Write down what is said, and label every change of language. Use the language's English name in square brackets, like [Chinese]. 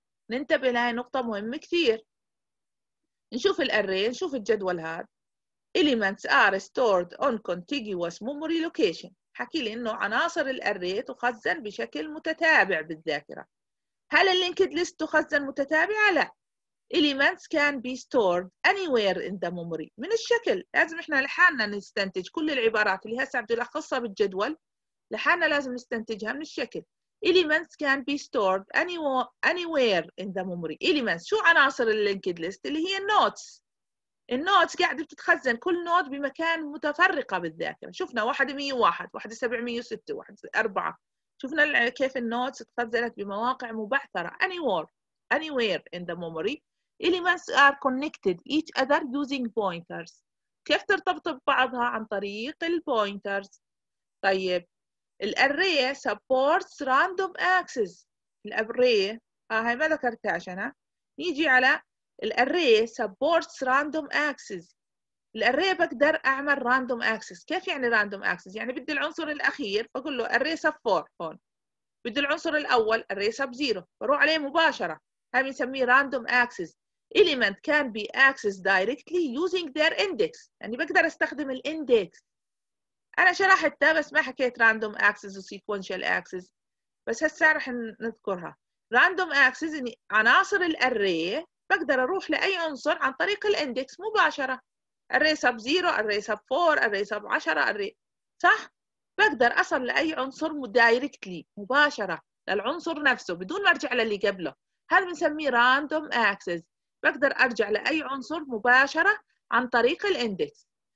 [Arabic] ننتبه لهي نقطة مهمة كثير. نشوف الأري، نشوف الجدول هاد، [English] elements are stored on contiguous memory location، [Arabic] حكي لي إنه عناصر الأري تخزن بشكل متتابع بالذاكرة. هل اللينكد ليست تخزن متتابعة؟ لا. [English] elements can be stored anywhere in the memory، [Arabic] من الشكل لازم إحنا لحالنا نستنتج كل العبارات اللي هسه بدي ألخصها بالجدول، لحالنا لازم نستنتجها من الشكل. [English] elements can be stored anywhere in the memory. [Arabic] elements شو عناصر اللينكد ليست؟ اللي هي النوتس. النوتس قاعدة بتتخزن كل نوت بمكان متفرقة بالذاكرة. شفنا 101 1706 104، شفنا كيف النوتس تخزنت بمواقع مبعثرة [English] anywhere in the memory. elements are connected each other using pointers، [Arabic] كيف ترتبط ببعضها؟ عن طريق البوينترز. طيب الأري [English] supports random access، [Arabic] الأري هاي ما ذكرتهاش أنا. نيجي على الأري [English] supports random access، [Arabic] الأري بقدر أعمل random access. كيف يعني random access؟ يعني بدي العنصر الأخير بقول له array sub 4 هون، بدي العنصر الأول array sub 0 بروح عليه مباشرة، هاي بنسميه random access. [English] element can be accessed directly using their index، [Arabic] يعني بقدر أستخدم الإندكس. أنا شرحتها بس ما حكيت random access و sequential access، بس هسا رح نذكرها. random access يعني عناصر الأري بقدر أروح لأي عنصر عن طريق الإندكس مباشرة، array sub 0 array sub 4 array sub 10 array، صح؟ بقدر أصل لأي عنصر directly مباشرة للعنصر نفسه بدون ما أرجع للي قبله، هذا بنسميه random access، بقدر أرجع لأي عنصر مباشرة عن طريق الإندكس.